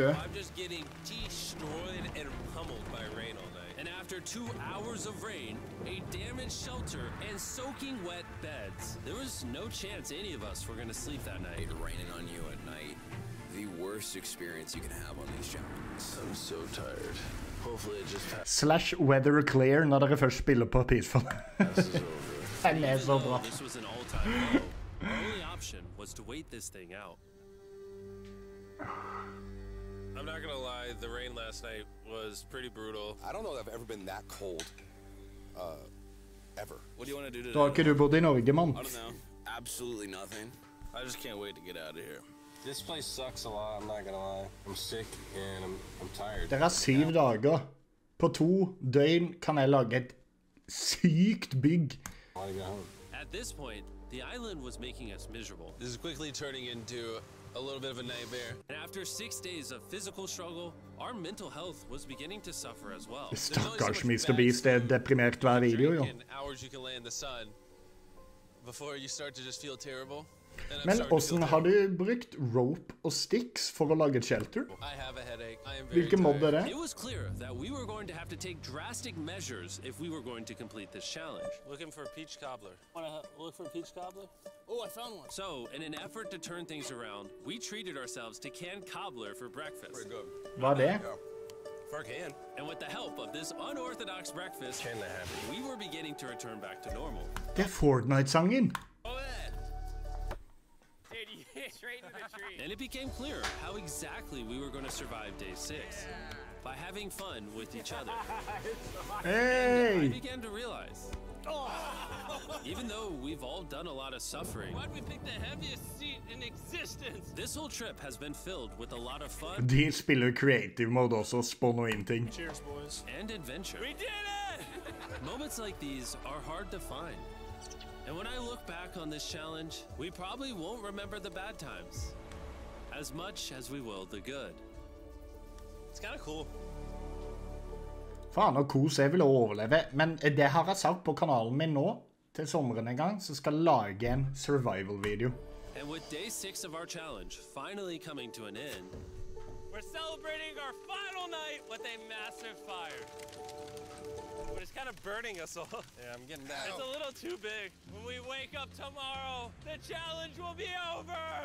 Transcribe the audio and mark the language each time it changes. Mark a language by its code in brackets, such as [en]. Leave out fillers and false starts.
[en] I'm just getting destroyed and pummeled by rain all night. And after 2 hours of rain, a damaged shelter, and soaking wet beds, there was no chance any of us were going to sleep that night. Raining on you at night, the worst experience you can have on these jumps. I'm so tired. Hopefully it just passed. Slash weather clear, [no] når dere først spiller på peaceful. [en] This is over. Even this was an all-time low, our only option was to wait this thing out. I'm not gonna lie, the rain last night was pretty brutal. I don't know if I've ever been that cold, ever. What do you want to do today? Okay, you're building over, come on. I don't know. Absolutely nothing. I just can't wait to get out of here. This place sucks a lot, I'm not gonna lie. I'm sick and I'm tired. [no] Det er 7 dager. På 2 døgn kan jeg lage et sykt bygg. [en] I wanna go home. At this point, the island was making us miserable. This is quickly turning into a little bit of a nightmare. And after 6 days of physical struggle, our mental health was beginning to suffer as well. [no] Stakkars MrBeast, det deprimert hver video, jo. [en] Hours you can lay in the sun before you start to just feel terrible. [no] Men hvordan har du brukt rope og sticks for å lage et shelter? [en] I have a headache. I am very [no] Hvilke mod er det? [en] It was clear that we were going to have to take drastic measures if we were going to complete this challenge. Looking for a peach cobbler. Wanna look for a peach cobbler? Oh, I found one. So, in an effort to turn things around, we treated ourselves to canned cobbler for breakfast. Pretty good. [no] Var det? [en] For a can. And with the help of this unorthodox breakfast, can that happen? We were beginning to return back to normal. [no] Det Fortnite-sangen. [en] And it became clear how exactly we were going to survive day 6. Yeah. By having fun with each other. Hey! I began to realize. Even though we've all done a lot of suffering. Why'd we pick the heaviest seat in existence? This whole trip has been filled with a lot of fun. [no] De spiller creative mode også, spawn og innting. [en] Cheers, boys. And adventure. We did it! Moments like these are hard to find. And when I look back on this challenge, we probably won't remember the bad times as much as we will the good. It's kind of cool. [no] Faen, og kos, jeg vil overleve. Men det har jeg sagt på kanalen min nå, til sommeren en gang, så skal jeg lage en survival-video. [en] And with day 6 of our challenge finally coming to an end, we're celebrating our final night with a massive fire. But it's kind of burning us all. Yeah, I'm getting that. It's a little too big. When we wake up tomorrow, the challenge will be over.